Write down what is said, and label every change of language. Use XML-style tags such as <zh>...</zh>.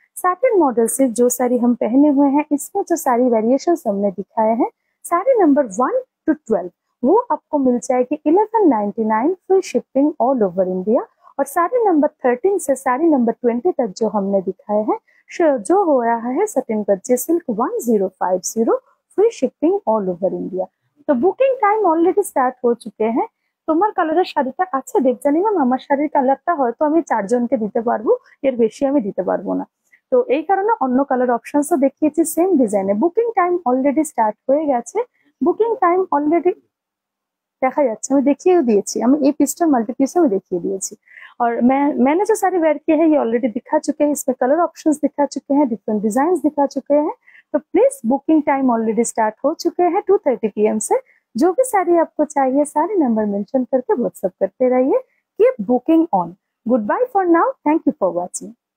<hi>Satin model से जो साड़ी हम पहने हुए हैं, इसमें जो सारी वेरिएशन हमने दिखाए हैं, साड़ी नंबर 1 to 12 वो आपको मिल जाएगी 1199, free shipping all over India. और साड़ी नंबर 13 से साड़ी नंबर 20 तक जो हमने दिखाए हैं, जो हो रहा है satin गज्जे silk 1050, free shipping all over India. तो बुकिंग टाइम ऑलरेडी स्टार्ट हो चुके हैं।</hi> <bn>তোমার কালারের শাড়িটা আছে দেখ জানি না, আমার শাড়ির কালারটা হয়তো আমি চারজনকে দিতে পারবো, এর বেশি আমি দিতে পারবো না। তো এই কারণে অন্য কালার অপশনসও দেখিয়েছি সেম ডিজাইনে। বুকিং টাইম অলরেডি স্টার্ট হয়ে গেছে, বুকিং টাইম অলরেডি দেখা যাচ্ছে, আমি দেখিয়েও দিয়েছি। আমি এই পিসটার মাল্টি পিস আমি দেখিয়ে দিয়েছি।</bn> <hi>और मैंने जो सारी वेयर किए हैं ये ऑलरेडी दिखा चुके हैं, इसमें कलर ऑप्शंस दिखा चुके हैं, डिफरेंट डिजाइंस दिखा चुके हैं। तो please booking time already start हो चुके हैं 2:30 PM से। जो भी साड़ी आपको चाहिए सारे नंबर मेंशन करके व्हाट्सएप करते रहिए।</hi> <en>Keep booking on. Good bye for now, thank you for watching.</en>